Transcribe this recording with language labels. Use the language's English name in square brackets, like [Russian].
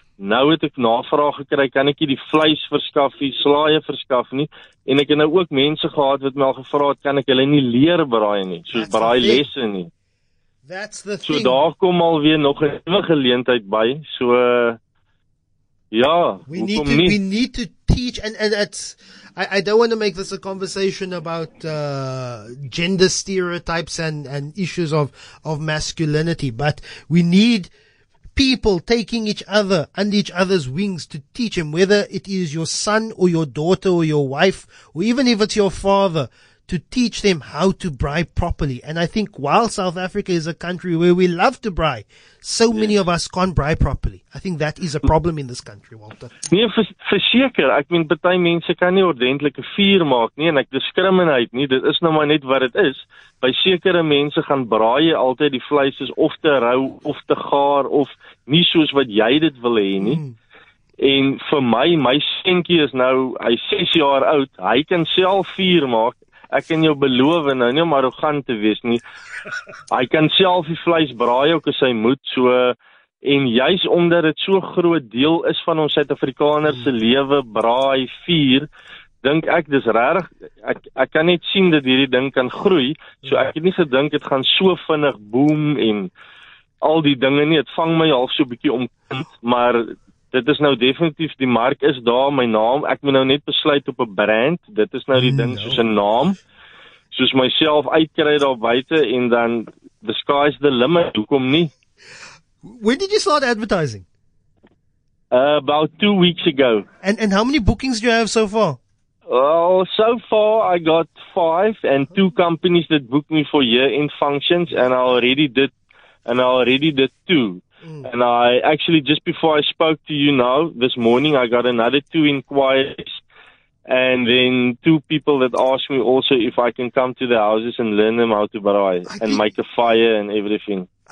[Afrikaans] Nou het ek navraag gekry, kan ek die vleis verskaf, die slaaie verskaf nie? En ek het nou ook mense gehad wat my al gevra het, kan ek hulle nie leer braai nie, soos braai lesse nie. [English] That's the thing. [Afrikaans] So daar kom alweer nog 'n nuwe geleentheid by. So ja, [English] we need to teach and it's I don't want to make this a conversation about gender stereotypes and issues of masculinity, but we need people taking each other under each other's wings to teach them, whether it is your son or your daughter or your wife, or even if it's your father, to teach them how to braai properly. And I think while South Africa is a country where we love to braai, so many of us can't braai properly. I think that is a problem in this country, Walter. [Afrikaans] Nee, verseker. Ek meen, baie mense kan nie ordentlike vuur maak nie, en ek discriminate nie. Dit is nou maar net wat het is. By sekere mense gaan braai jy altyd die vleis is of te rou, of te gaar, of nie soos wat jy dit wil hê nie. En vir my seentjie is nou, hy 6 jaar oud, hy kan self vuur maak. Ek kan jou beloof nou nie om arrogant te wees nie. Hy kan self die vleis braai ook as hy moet, so en juis omdat dit so groot deel is van ons Suid-Afrikaner se lewe, braai vuur, dink ek dis regtig ek kan net sien dat hierdie ding kan groei. So ek het nie gedink dit gaan so vinnig boom en al die dinge nie. Dit vang my half so 'n bietjie om, maar dit is nou definitief, die mark is daar, my naam, ek moet nou net besluit op 'n brand, dit is nou die ding, soos 'n naam, soos myself uitkry daar buite, en dan, [English] the sky's the limit, [Afrikaans] hoekom nie? [English] When did you start advertising? About 2 weeks ago. And how many bookings do you have so far? Well, so far I got 5, and 2 companies that booked me for year-end functions, and I already did 2. And I actually, just before I spoke to you now, this morning, I got another 2 inquiries and then 2 people that asked me also if I can come to the houses and learn them how to braai and make a fire and everything.